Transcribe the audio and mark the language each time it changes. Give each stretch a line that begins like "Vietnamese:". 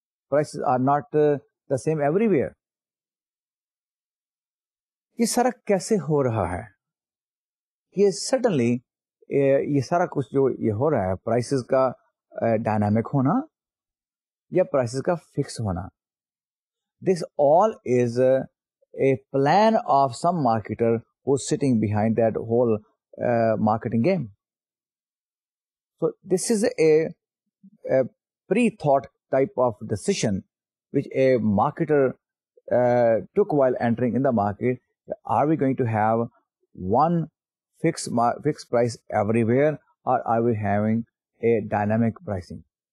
English: Prices are not the same everywhere.
Urdu: یہ سارا کیسے ہو رہا ہے؟ یہ سڈنلی یہ سارا کچھ جو یہ ہو رہا ہے, پرائسز کا ڈائنامک ہونا یا پرائسز کا فکس ہونا,
English: This all is a plan of some marketer who sitting behind that whole marketing game. So this is a pre-thought type of decision which a marketer took while entering in the market. Are we going to have one fixed price everywhere or are we having a dynamic pricing?